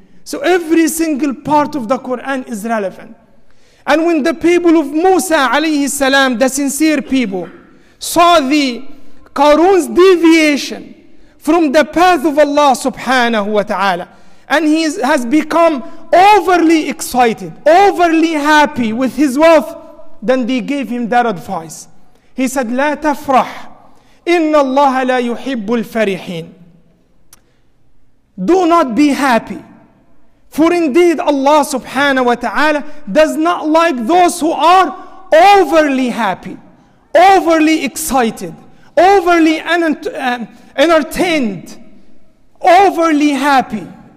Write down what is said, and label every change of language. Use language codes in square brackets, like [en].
[en] So every single part of the Quran is relevant. And when the people of Musa alayhi salam, the sincere people, saw the Qarun's deviation from the path of Allah subhanahu wa ta'ala, and he has become overly excited, overly happy with his wealth, then they gave him that advice. He said, [ar] لا تفرح إن الله لا يحب الفرحين. [en] Do not be happy, for indeed Allah subhanahu wa ta'ala does not like those who are overly happy, overly excited, overly entertained, overly happy.